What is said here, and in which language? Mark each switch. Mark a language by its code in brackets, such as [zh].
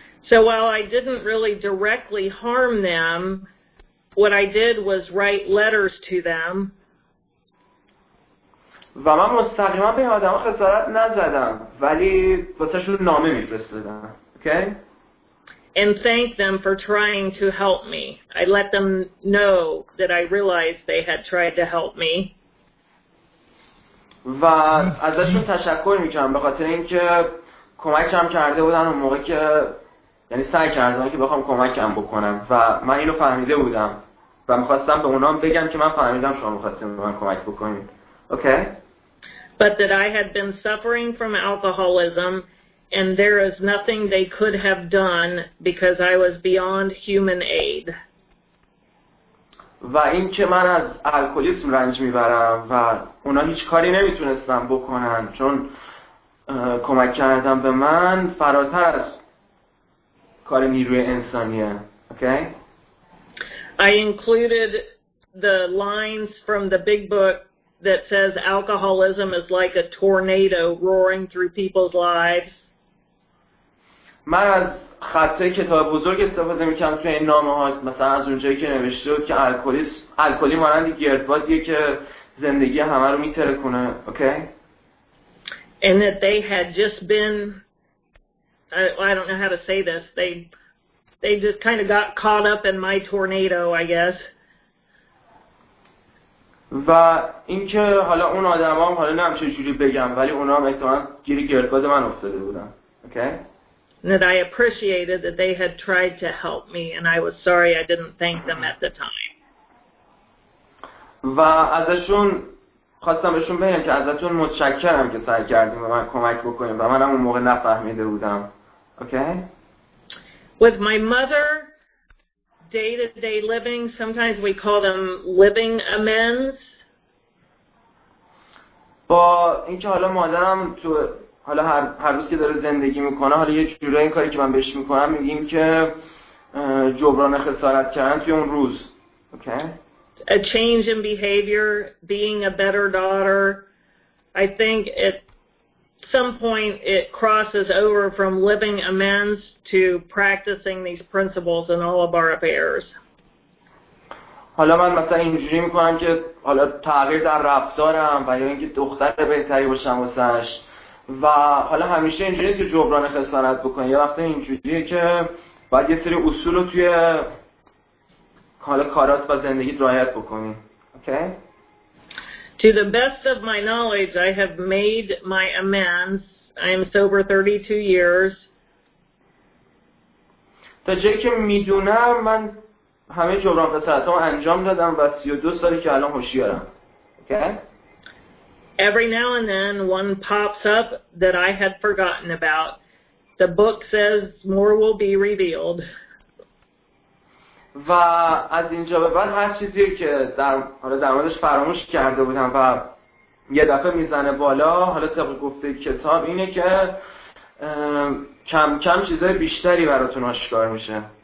[en] So while I didn't really directly harm them, what I did was write letters to them. [fa] و من مستقیما به آدما خسارت نزدم ولی واسهشون نامه می‌فرستادم. اوکی؟ [en] And thank them for trying to help me. I let them know that I realized they had tried to help me. [fa] و ازشون تشکر میکنم به خاطر اینکه کمکم کرده بودن اون موقع که یعنی سعی کردن که بخوام کمکم بکنم و من اینو فهمیده بودم و میخواستم به اونام بگم که من فهمیدم شما میخواستیم به من کمک بکنید. [en] Okay? But that I had been suffering from alcoholism and there is nothing they could have done because I was beyond human aid. [fa] و این که من از الکلیسم رنج میبرم و اونا هیچ کاری نمیتونستن بکنن چون کمک کردن به من فراتر از کار نیروی انسانیه. [en] Okay? I included the lines from the big book that says alcoholism is like a tornado roaring through people's lives. [fa] من از خطه کتاب بزرگ استفاده میکنم توی این نامه ها مثلا از اونجایی که نوشته بود که الکلی مانند گردبادیه که زندگی همه رو میتره کنه. اوکی؟ [en] Okay? And that they had just been I don't know how to say this they just kind of got caught up in my tornado I guess. [fa] و اینکه حالا اون آدم هم حالا نمیشه چجوری بگم ولی اونا هم احتمالاً گیر گردباد من افتاده بودن. اوکی؟ [en] Okay? That I appreciated that they had tried to help me and I was sorry I didn't thank them at the time. [fa] و ازشون خواستم بهشون بگم که ازتون متشکرم که سعی کردیم به من کمک بکنیم و منم اون موقع نفهمیده بودم. [en] Okay? With my mother day-to-day living, sometimes we call them living amends. [fa] با اینکه حالا مادرم تو حالا هر روز که داره زندگی میکنه حالا یه جورایی این کاری که من بهش میکنم میگیم که جبران خسارت کردن توی اون روز. [en] Okay? A change in behavior, being a better daughter. I think at some point it crosses over from living amends to practicing these principles in all of our affairs. [fa] حالا من مثلا اینجوری میکنم که حالا تغییر در رفتارم و یا اینکه دختر بهتری باشم واسش و حالا همیشه اینجوریه که جبران خسارت بکنه یه وقته اینجوریه که باید یه سری اصول رو توی حالا کارات و زندگیت رعایت بکنی. [en] Okay? To the best of my knowledge I have made my amends. I am sober 32 years. [fa] تا جایی که میدونم من همه جبران خسارت‌ها رو انجام دادم و 32 سالی که الان هوشیارم. [en] Okay? Every now and then one pops up that I had forgotten about. The book says more will be revealed. [fa] و از اینجا به بعد هر چیزی که در موردش فراموش کرده بودم و یه دفعه میزنه بالا حالا طبق گفته کتاب اینه که کم کم چیزای بیشتری براتون آشکار میشه.